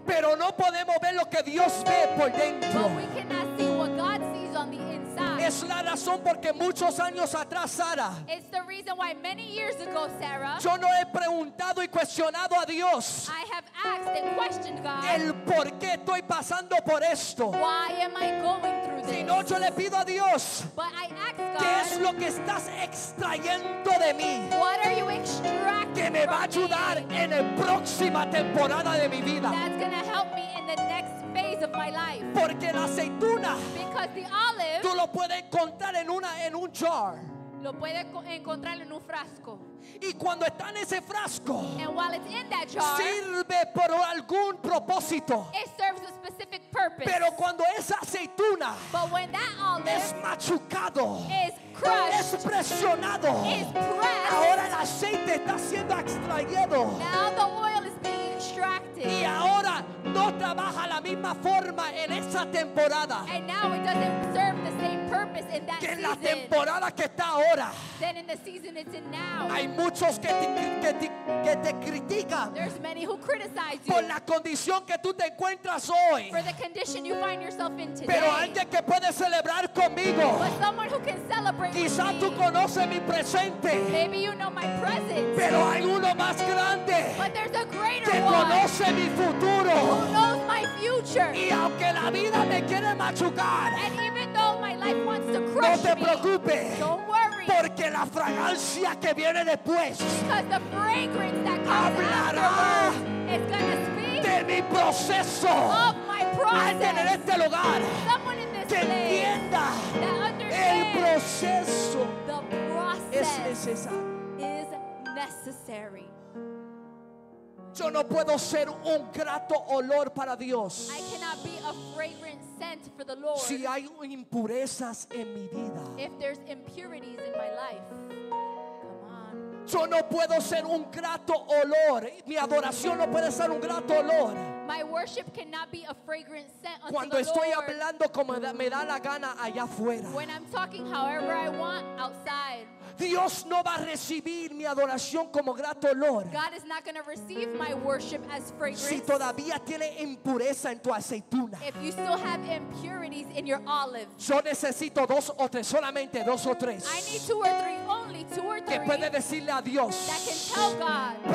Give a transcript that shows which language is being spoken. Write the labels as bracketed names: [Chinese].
[Spanish] pero no podemos ver lo que Dios ve por dentro. [English] But we cannot see what God sees on the inside. [Spanish] Es la razón porque muchos años atrás, Sara, [English] it's the reason why many years ago, Sarah, [Spanish] yo no he preguntado y cuestionado a Dios. [English] I have asked and questioned God. [Spanish] El por qué estoy pasando por esto. [English] Why am I going through this? [Spanish] Si no, yo le pido a Dios. [English] But I ask God, [Spanish] ¿qué es lo que estás extrayendo de mí? [English] What are you extracting? [Spanish] Que me va a ayudar [English] me? [Spanish] En la próxima temporada de mi vida. [English] That's gonna help me in the next phase of my life. [Spanish] Porque la aceituna. [English] Because the olive. [Spanish] Tú lo puedes encontrar en una en un jar. Lo puede encontrar en un frasco. Y cuando está en ese frasco, [English] and while it's in that jar, [Spanish] sirve por algún propósito. [English] It serves a specific purpose. [Spanish] Pero cuando esa aceituna, [English] but when that olive [Spanish] es machucado, [English] is crushed, [Spanish] es presionado, [English] is pressed, [Spanish] ahora el aceite está siendo extraído. [English] Now the oil is being extracted. [Spanish] Y ahora no trabaja la misma forma en esa temporada. [English] And now it doesn't serve the same purpose in that [Spanish] que [English] season. [Spanish] En la temporada que está ahora. [English] Then in the season it's in now. [Spanish] Hay muchos que te critican. [English] There's many who criticize you. [Spanish] Por la condición que tú te encuentras hoy. [English] For the condition you find yourself in today. [Spanish] Pero alguien que puede celebrar conmigo. [English] But someone who can celebrate [Spanish] quizá [English] with me. [Spanish] Quizá tú conoces mi presente. [English] Maybe you know my present. [Spanish] Pero hay uno más grande. [English] But there's a greater [Spanish] que [English] one. [Spanish] Que conoce mi futuro. [English] Who knows my future? [Spanish] Y aunque la vida me quiere machucar, [English] and even though my life wants to crush [Spanish] no te preocupes, [English] me, don't worry. [Spanish] Porque la fragancia que viene después, [English] because the fragrance that comes [Spanish] hablará [English] is going to speak [Spanish] de mi proceso, [English] of my process. [Spanish] Alguien en este lugar, [English] someone in this [Spanish] que [English] place [Spanish] entienda [English] that understands [Spanish] el proceso, [English] the process [Spanish] es necesario. [English] Is necessary. [Spanish] Yo no puedo ser un grato olor para Dios. [English] I cannot be a fragrant scent for the Lord. [Spanish] Si hay impurezas en mi vida. [English] If there's impurities in my life. Come on. [Spanish] Yo no puedo ser un grato olor. Mi adoración no puede ser un grato olor. [English] My worship cannot be a fragrant scent unto the Lord. [Spanish] Cuando estoy hablando como me da la gana allá afuera. [English] When I'm talking however I want outside. [Spanish] Dios no va a recibir mi adoración como grato olor. [English] God is not going to receive my worship as fragrance. [Spanish] Si todavía tiene impureza en tu aceituna. [English] If you still have impurities in your olive. [Spanish] Yo necesito dos o tres, solamente dos o tres. [English] I need two or three, only two or three. [Spanish] Que puede decirle a Dios. That can tell God.